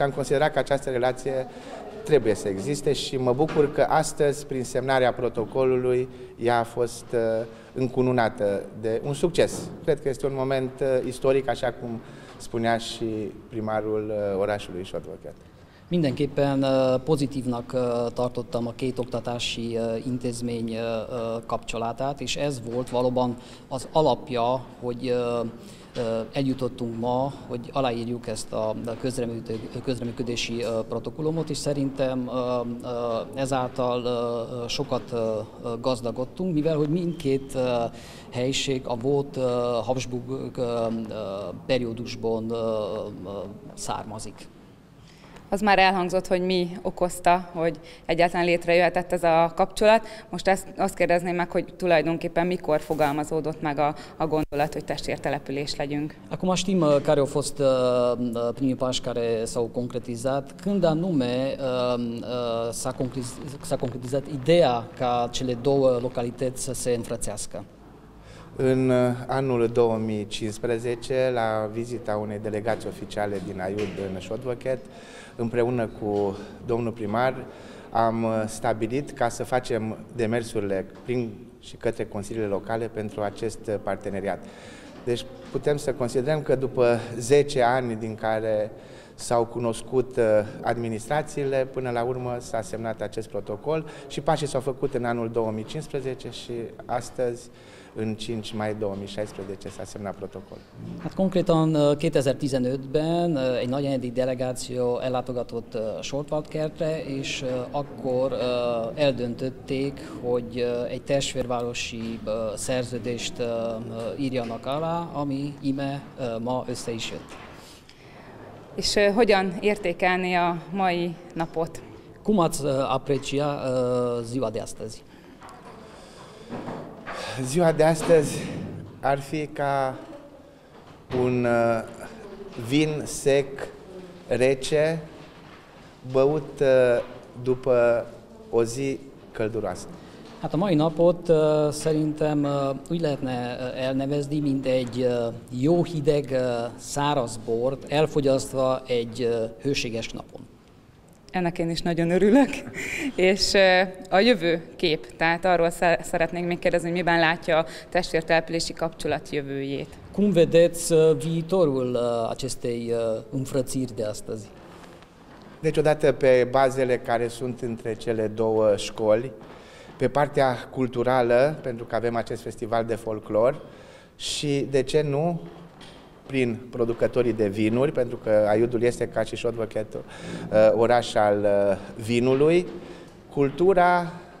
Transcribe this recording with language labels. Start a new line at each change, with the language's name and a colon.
Romanian: Și am considerat că această relație trebuie să existe și mă bucur că astăzi, prin semnarea protocolului, ea a fost încununată de un succes. Cred că este un moment istoric, așa cum spunea și primarul orașului Solt Vadkert.
Hungarian: Mindenképpen pozitívnak tartottam a két oktatási intézmény kapcsolatát, és ez volt valóban az alapja, hogy eljutottunk ma, hogy aláírjuk ezt a közreműködési protokollumot, és szerintem ezáltal sokat gazdagodtunk, mivel hogy mindkét helyiség a volt Habsburg periódusban származik. Az már elhangzott, hogy mi okozta, hogy egyáltalán létrejöhetett ez a kapcsolat. Most azt kérdezném meg, hogy tulajdonképpen mikor fogalmazódott meg a gondolat, hogy testvértelepülés legyünk.
Romanian: Acum știm care a fost primii pași care s-au concretizat. Când anume s-a concretizat ideea ca cele două localități să se înfrățească? În anul 2015, la vizita unei delegații oficiale din AIUD în Solt Vadkert, împreună cu domnul primar, am stabilit ca să facem demersurile prin și către consiliile locale pentru acest parteneriat. Deci putem să considerăm că după 10 ani din care s-au cunoscut administrațiile, până la urmă s-a semnat acest protocol și pașii s-au făcut în anul 2015 și astăzi, în 5 mai 2016, s-a semnat protocol.
Hungarian: Hát konkrétan 2015-ben egy nagyanyedi delegáció ellátogatott Soltvadkertre, és akkor eldöntötték, hogy egy testvérvárosi szerződést írjanak alá, ami íme ma össze is jött. És hogyan értékelni a mai napot?
Romanian: Cum ați aprecia ziua de astăzi? Ziua de astăzi ar fi ca un vin sec, rece, băut după o zi călduroasă.
Hungarian: Hát a mai napot szerintem úgy lehetne elnevezni, mint egy jó hideg száraz bort elfogyasztva egy hőséges napon. Ennek én is nagyon örülök. És a jövő kép, tehát arról szeretnénk még kérdezni, hogy miben látja a testvértelepülési kapcsolat jövőjét.
Romanian: Cum vedeți viitorul acestei înfrățiri de astăzi? Deci odată pe bazele care sunt între cele două școli, pe partea culturală, pentru că avem acest festival de folclor și, de ce nu, prin producătorii de vinuri, pentru că Aiudul este ca și Șotvăchet oraș al vinului, cultura,